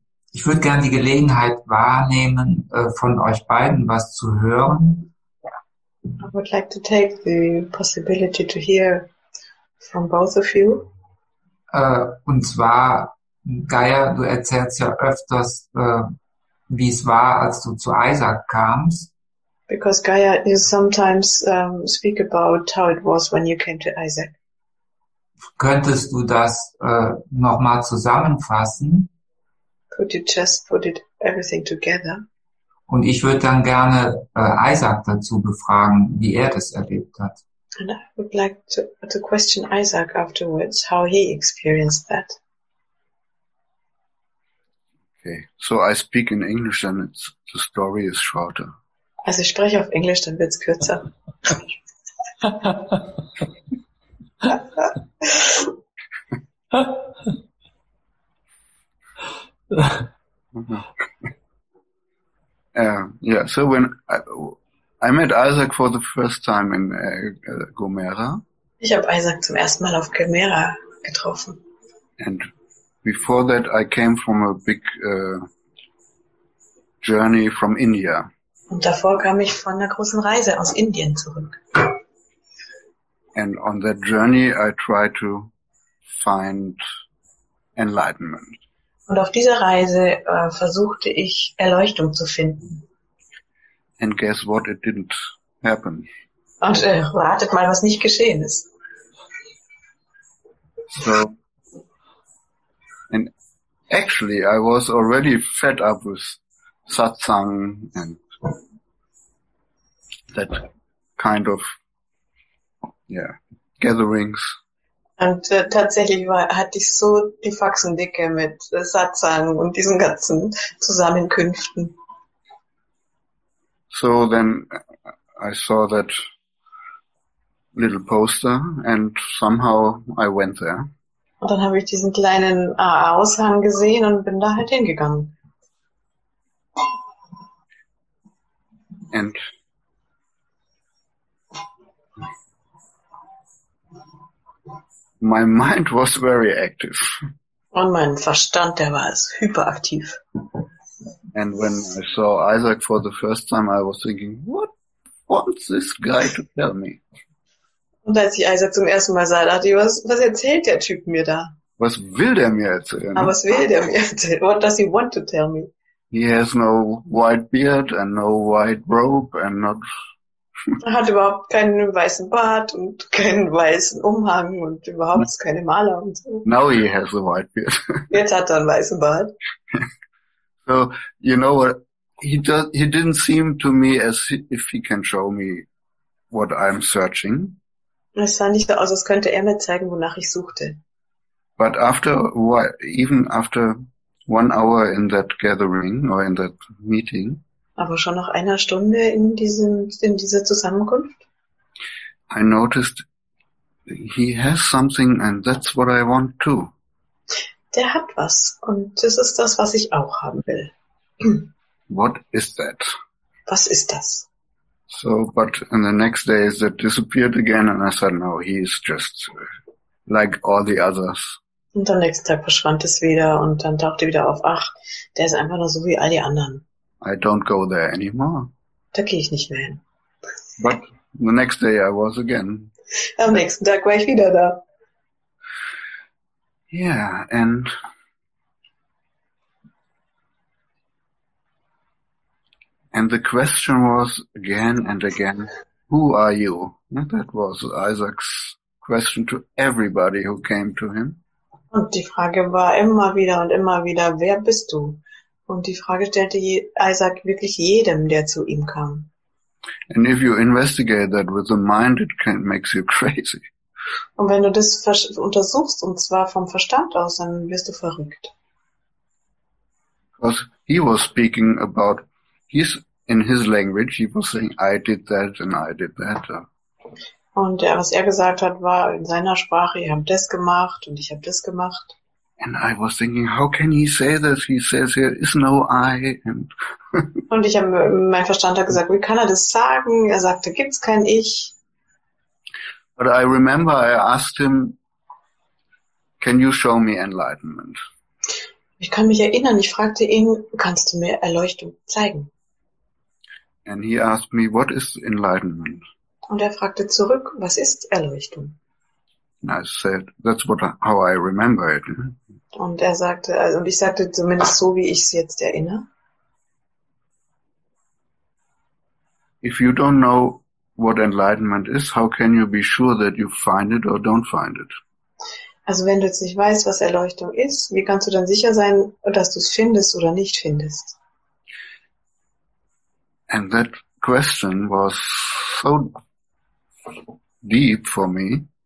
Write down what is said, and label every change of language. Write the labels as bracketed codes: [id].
[de] ich würde gerne die Gelegenheit wahrnehmen, von euch beiden was zu hören. [en] I would like to take the possibility to hear from both of you. [de] Und zwar, Gaia, du erzählst ja öfters, wie es war, als du zu Isaac kamst. [en] Because Gaia, you sometimes speak about how it was when you came to Isaac. [de] Könntest du das nochmal zusammenfassen? [en] Could you just put it everything together? [de] Und ich würde dann gerne Isaac dazu befragen, wie er das erlebt hat. [en] And I would like to question Isaac afterwards, how he experienced that. Okay, so I speak in English, then it's, the story is shorter. [de] Also ich spreche auf Englisch, dann wird's kürzer. [en] So when I met Isaac for the first time in Gomera. [de] Ich habe Isaac zum ersten Mal auf Gomera getroffen. [en] And before that I came from a big journey from India. [de] Und davor kam ich von einer großen Reise aus Indien zurück. [en] And on that journey I try to find enlightenment. [de] Und auf dieser Reise versuchte ich Erleuchtung zu finden. [en] And guess what, it didn't happen. [de] Und ratet mal, was nicht geschehen ist. [en] So, and actually I was already fed up with satsang and that kind of gatherings. [de] Und tatsächlich hatte ich so die Faxen dicke mit Satsang und diesen ganzen Zusammenkünften. [en] So then I saw that little poster and somehow I went there. [de] Und dann habe ich diesen kleinen Aushang gesehen und bin da halt hingegangen. [en] And my mind was very active. [de] Und mein Verstand, der war hyperaktiv. [en] And when I saw Isaac for the first time, I was thinking, what wants this guy to tell me? [de] Und als ich Isaac zum ersten Mal sah, dachte ich, was erzählt der Typ mir da? Was will der mir erzählen? Aber was will der mir erzählen? [en] What does he want to tell me? He has no white beard and no white robe and not... [de] Er hat überhaupt keinen weißen Bart und keinen weißen Umhang und überhaupt keine Maler und so. [en] Now he has a white beard. [de] Jetzt hat er einen weißen Bart. [en] So, you know what? He didn't seem to me as if he can show me what I'm searching. [de] Es sah nicht so aus, als könnte er mir zeigen, wonach ich suchte. [en] But after, even after 1 hour in that gathering or in that meeting, [de] aber schon nach einer Stunde in dieser Zusammenkunft? [en] I noticed he has something and that's what I want too. [de] Der hat was und das ist das, was ich auch haben will. [en] What is that? [de] Was ist das? [en] So, but in the next day it disappeared again and I said, no, he is just like all the others. [de] Und am nächsten Tag verschwand es wieder und dann tauchte wieder auf, ach, der ist einfach nur so wie all die anderen. [en] I don't go there anymore. [de] Da gehe ich nicht mehr hin. [en] But the next day I was again. [de] Am nächsten Tag war ich wieder da. [en] Yeah, and the question was again and again, who are you? And that was Isaac's question to everybody who came to him. [de] Und die Frage war immer wieder und immer wieder, wer bist du? Und die Frage stellte Isaac wirklich jedem, der zu ihm kam. [en] And if you investigate that with the mind, it can, makes you crazy. [de] Und wenn du das untersuchst, und zwar vom Verstand aus, dann wirst du verrückt. [en] Because he was speaking about, he's in his language, he was saying, I did that and I did that. [de] Und was er gesagt hat, war in seiner Sprache, ich habe das gemacht und ich habe das gemacht. [en] And I was thinking, how can he say this? He says, there is no I. And [de] und ich habe mein Verstand hat gesagt, wie kann er das sagen? Er sagte, gibt's kein Ich. [en] But I remember I asked him, can you show me enlightenment? [de] Ich kann mich erinnern, ich fragte ihn, kannst du mir Erleuchtung zeigen? [en] And he asked me, what is enlightenment? [de] Und er fragte zurück, was ist Erleuchtung? [en] And I said, that's what, how I remember it. [de] Und er sagte, also, und ich sagte zumindest so, wie ich es jetzt erinnere. [en] If you don't know what enlightenment is, how can you be sure that you find it or don't find it? [de] Also wenn du jetzt nicht weißt, was Erleuchtung ist, wie kannst du dann sicher sein, dass du es findest oder nicht findest? [en] And that question was so deep for me.